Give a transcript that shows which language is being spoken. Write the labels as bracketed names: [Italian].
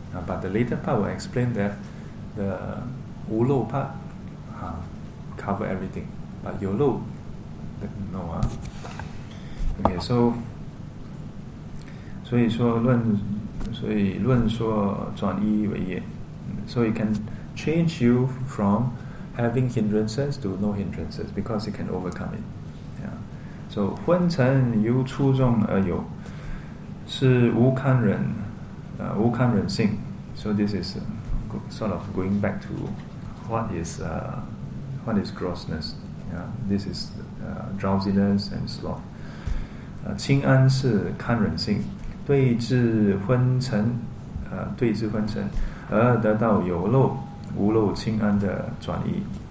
[English] But the later part will explain that the 无漏 part cover everything, but 有漏 no. Okay, so [Chinese] 所以论说转一为业， [English] so you can change you from having hindrances to no hindrances because you can overcome it. [Chinese] So 昏沉由初中而有 是无堪忍 无堪忍性. [English] So this is sort of going back to what is grossness. This is drowsiness and sloth. [Chinese] 清安是堪忍性 对治昏沉 对治昏沉 而得到有漏 无漏清安的转移.